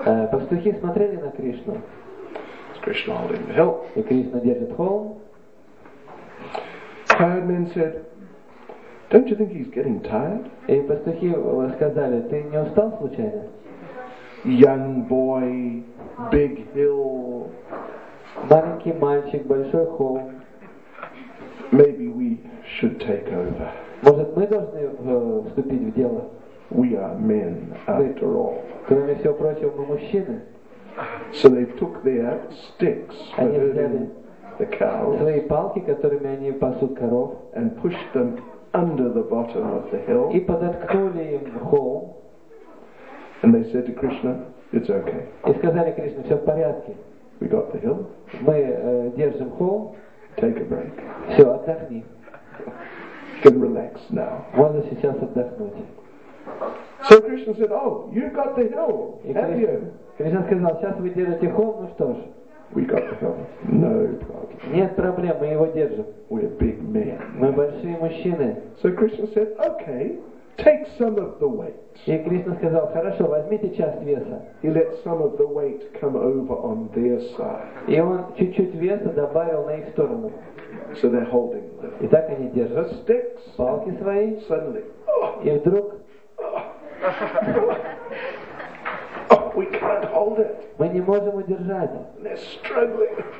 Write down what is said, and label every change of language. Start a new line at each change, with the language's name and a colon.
Russian: Пастухи смотрели на Кришну.
English: Is Krishna holding the hill?
Russian: И Кришна держит холм.
English: Cowherd men said, "Don't you think he's getting tired?"
Russian: И пастухи сказали, "Ты не устал случайно?"
English: Young boy, big hill.
Russian: Маленький мальчик, большой холм.
English: Maybe we should take over.
Russian: Может, мы должны вступить в дело?
English: We are men, after all.
Russian: Кроме всего прочего, мы мужчины.
English: So they took their sticks for herding the cows.
Russian: Свои палки, которыми они пасут коров.
English: And pushed them under the bottom of the hill.
Russian: И подоткнули им холм.
English: And they said to Krishna, "It's okay."
Russian: И сказали Кришне, все в порядке.
English: We got the hill.
Russian: Мы держим холм.
English: Take a break.
Russian: Все, отдохни.
English: You can relax now.
Russian: Можно сейчас отдохнуть.
English: So Krishna said, oh, you've got the hill, have you?
Russian: Krishna сказал, сейчас вы держите холм, ну что ж.
English: We got the hill. No problem.
Russian: Нет проблем, мы его держим.
English: We're big men.
Russian: Мы большие мужчины.
English: So Krishna said, okay, take some of the weight.
Russian: И Кришна сказал, хорошо, возьмите часть веса.
English: He let some of the weight come over on their side.
Russian: И он чуть-чуть веса добавил на их сторону.
English: So they're holding them.
Russian: И так они держат.
English: The sticks.
Russian: Палки свои.
English: Suddenly.
Russian: И вдруг.
English: Oh, we can't hold it.
Russian: Мы не можем удержать.
English: They're struggling.